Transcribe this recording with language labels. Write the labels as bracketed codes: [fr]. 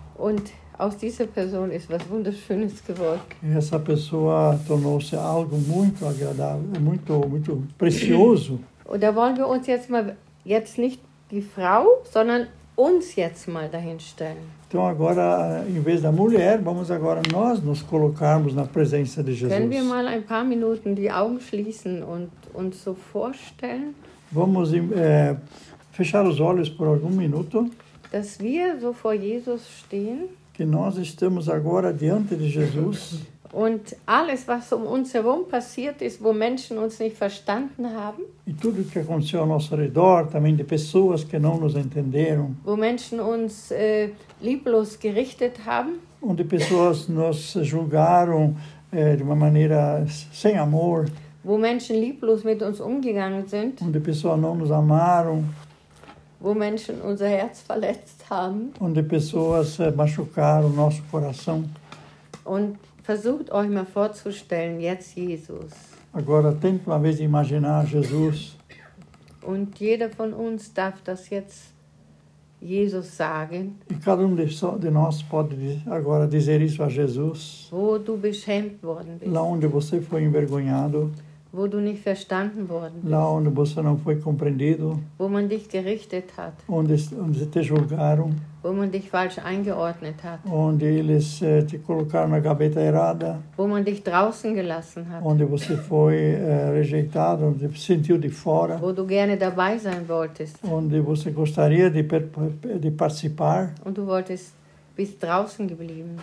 [de] Und aus dieser Person ist was Wunderschönes geworden. [pt] E essa pessoa tornou-se algo muito agradável, muito, muito precioso. [de] Und da wollen wir uns jetzt nicht die Frau, sondern uns jetzt mal dahin stellen. [pt] Então agora, em vez da mulher, vamos agora nós nos colocarmos na presença de Jesus. [de] Können wir mal ein paar Minuten die Augen schließen und uns so vorstellen? [pt] Vamos fechar os olhos por algum minuto. [de] Dass wir so vor Jesus stehen. [pt] Que nós estamos agora diante de Jesus. [de] Und alles, was uns herum passiert ist, wo Menschen uns nicht verstanden haben. [pt] E tudo que aconteceu ao nosso redor, também de pessoas que não nos entenderam. [de] Wo Menschen uns lieblos gerichtet haben. [pt] Onde pessoas nos julgaram de uma maneira sem amor. [de] Wo Menschen lieblos mit uns umgegangen sind. [pt] Onde pessoas não nos amaram. [de] Wo Menschen unser Herz verletzt haben. [pt] Onde pessoas machucaram nosso coração. [de] Und versucht euch mal vorzustellen, jetzt Jesus. [pt] Agora tente uma vez imaginar Jesus. [de] Und jeder von uns darf das jetzt Jesus sagen. [pt] E cada de nós pode agora dizer isso a Jesus. [de] Wo du beschämt worden bist. [pt] Lá onde você foi envergonhado. [de] Wo du nicht verstanden worden bist. [pt] Lá onde você não foi compreendido. [de] Wo man dich gerichtet hat. [pt] Onde sie te julgaram. [de] Wo man dich falsch eingeordnet hat. [pt] Onde eles te colocaram na gaveta errada. [de] Wo man dich draußen gelassen hat. [pt] Onde você foi rejeitado, onde se sentiu de fora. [de] Wo du gerne dabei sein wolltest. [pt] Onde você gostaria de participar. [de] Und du bist draußen geblieben.